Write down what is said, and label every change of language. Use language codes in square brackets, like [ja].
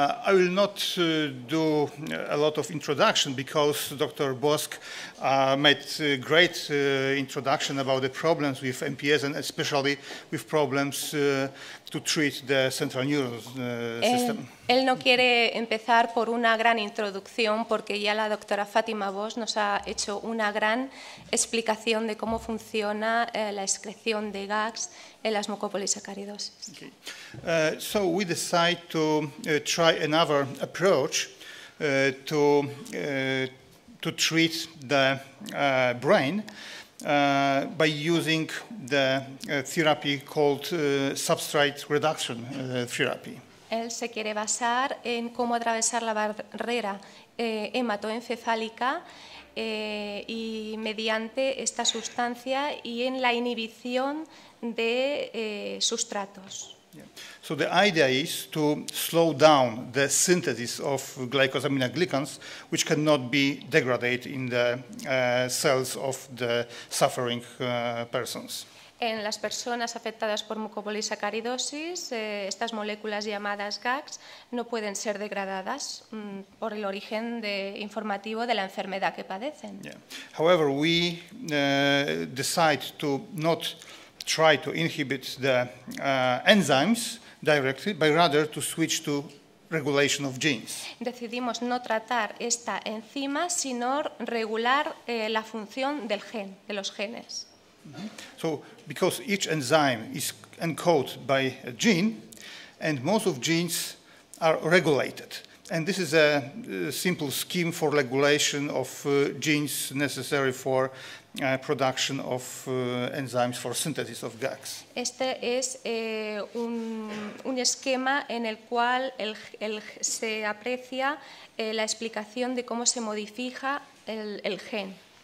[en] I will not do a lot of introduction because Dr. Bosk made a great introduction about the problems with MPS and especially with problems to treat the central nervous system. [es] Él no quiere empezar por una gran introducción porque ya la doctora Fátima Bosk nos ha hecho una gran explicación de cómo funciona la excreción de GAGs en las mucopolisacaridosis. Okay. [en] So we decide to try another approach to treat the brain by using the therapy called substrate reduction therapy. [es] Él se quiere basar en cómo atravesar la barrera hematoencefálica y mediante esta sustancia y en la inhibición de sustratos. Yeah. [en] So the idea is to slow down the synthesis of glycosaminoglycans, which cannot be degraded in the cells of the suffering persons. [es] En las personas afectadas por mucopolisacaridosis, estas moléculas llamadas GAGs no pueden ser degradadas por el origen informativo de la enfermedad que padecen. Yeah. [en] However, we decide to not try to inhibit the enzymes directly, but rather to switch to regulation of genes. [es] Decidimos no tratar esta enzima, sino regular la función del gen, de los genes. [en] So, because each enzyme is encoded by a gene, and most of genes are regulated. And this is a simple scheme for regulation of genes necessary for production of enzymes for synthesis of GAGs. [es] Este es un esquema en el cual se aprecia la explicación de cómo se modifica el gen.